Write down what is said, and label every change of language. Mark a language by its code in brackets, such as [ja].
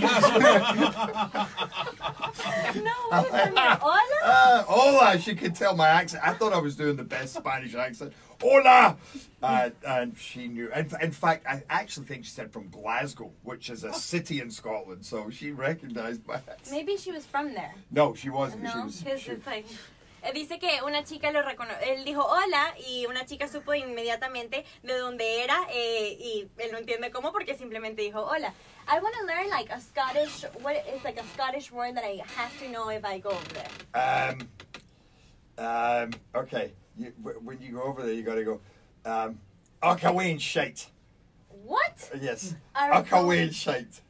[en] that mean? Hola! She could tell my accent. I thought I was doing the best Spanish accent. Hola! And she knew. In fact, I actually think she said from Glasgow, which is a city in Scotland, so she recognized my accent. Maybe she was from there. No, she wasn't. No, she was, [es] dice que una chica lo reconoció, él dijo hola, y una chica supo inmediatamente de dónde era, y él no entiende cómo, porque simplemente dijo hola. [en] I want to learn like a Scottish, what is like a Scottish word that I have to know if I go over there. Okay, when you go over there, you gotta go, Arcawain shite. What? Yes, Arcawain shite.